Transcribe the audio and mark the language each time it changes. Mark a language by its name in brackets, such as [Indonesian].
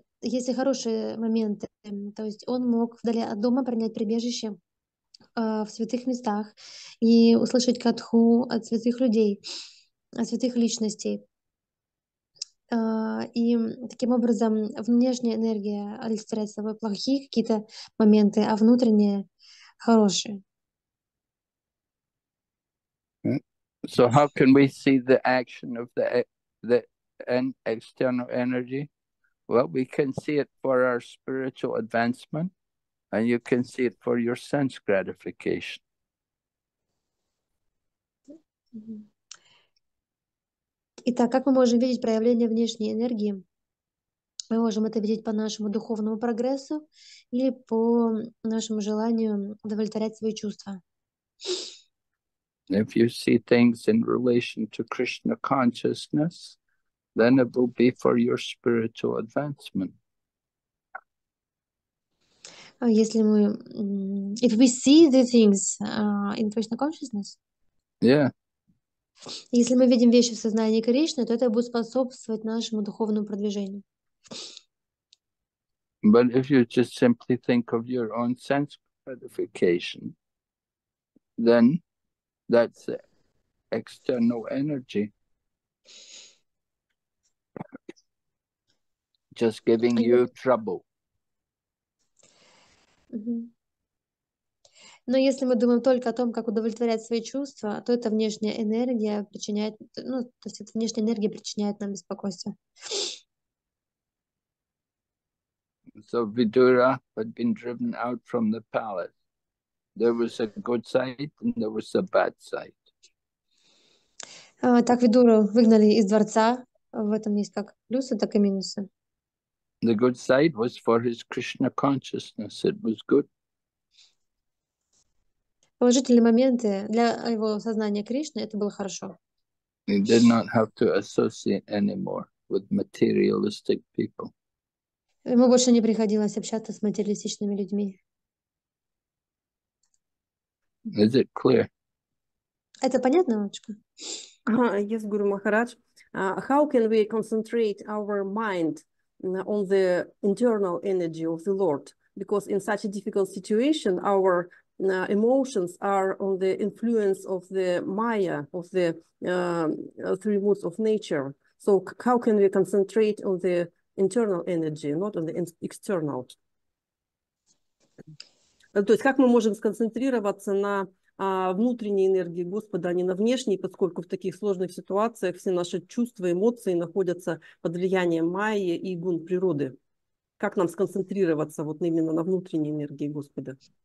[Russian] если хорошие моменты, то есть он мог вдали от дома принять прибежище в святых местах и услышать катху от святых людей, от святых личностей. И таким образом внешняя энергия олицетворяет собой плохие какие-то моменты, а внутренние хорошие. [English] So how can we see the action of the external energy? Well, we can see it for our spiritual advancement, and you can see it for your sense gratification. [Russian] Итак, как мы можем видеть проявление внешней энергии? Мы можем это видеть по нашему духовному прогрессу или по нашему желанию удовлетворять свои чувства. [English] If you see things in relation to Krishna consciousness, then it will be for your spiritual advancement. If we see the things in Krishna consciousness, yeah. [Russian] Если мы видим вещи в сознании Кришны, то это будет способствовать нашему духовному продвижению. [English] But if you just simply think of your own sense gratification, then that's external energy. Just giving you trouble. [Russian] Но если мы думаем только о том, как удовлетворять свои чувства, то это внешняя энергия причиняет, ну, то есть это внешняя энергия причиняет нам беспокойство. [English] So Vidura had been driven out from the palace. There was a good sight and there was a bad sight. [Russian] Так Видуру выгнали из дворца. В этом есть как плюсы, так и минусы. [English] The good sight was for his Krishna consciousness. It was good. [Russian] Положительные моменты для его сознания Кришны, это было хорошо. [English] He did not have to associate anymore with materialistic people. [Russian] Ему больше не приходилось общаться с материалистичными людьми. [English] Is it clear? [Russian] Это понятно, Мамочка? [English] Yes, Guru Maharaj. How can we concentrate our mind on the internal energy of the Lord? Because in such a difficult situation, our emotions are on the influence of the Maya, of the three modes of nature. So how can we concentrate on the internal energy, not on the external? [Russian] То есть как мы можем сконцентрироваться на внутренней энергии Господа, а не на внешней, поскольку в таких сложных ситуациях все наши чувства, эмоции находятся под влиянием майи и гун природы. Как нам сконцентрироваться вот именно на внутренней энергии Господа?